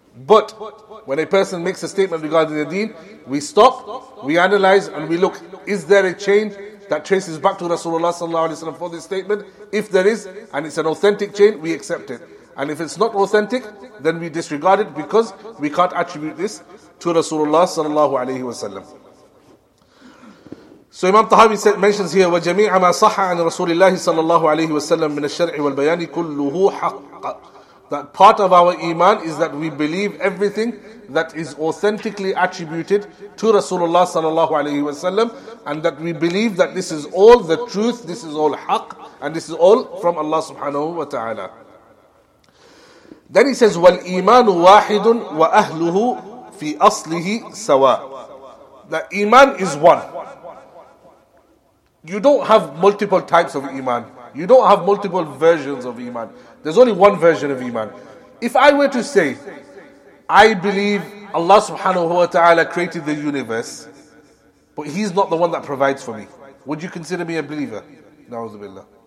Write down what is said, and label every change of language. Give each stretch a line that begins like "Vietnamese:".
English: But when a person makes a statement regarding the deen, we stop, we analyze, and we look, is there a change that traces back to Rasulullah sallallahu alaihi wasallam for this statement? If there is, and it's an authentic chain, we accept it. And if it's not authentic, then we disregard it because we can't attribute this to Rasulullah sallallahu alaihi wasallam. So Imam Tahawi mentions here,
Arabic: وَجَمِيعَ مَا صَحَّ عَنِ رَسُولِ اللَّهِ صَلَّى اللَّهُ عَلَيْهِ وَسَلَّمَ مِنَ الشَّرْعِ وَالْبَيَانِ كُلُّهُ حَقَّ.
English: That part of our iman is that we believe everything that is authentically attributed to Rasulullah sallallahu alayhi wa sallam, and that we believe that this is all the truth, this is all haq, and this is all from Allah subhanahu wa ta'ala. Then he says,
Arabic: وَالْإِيمَانُ وَاحِدٌ وَأَهْلُهُ فِي أَصْلِهِ سَوَاءٌ.
English: That iman is one. You don't have multiple types of iman. You don't have multiple versions of iman. There's only one version of iman. If I were to say, I believe Allah subhanahu wa ta'ala created the universe, but He's not the one that provides for me, would you consider me a believer? Na'udhu billah.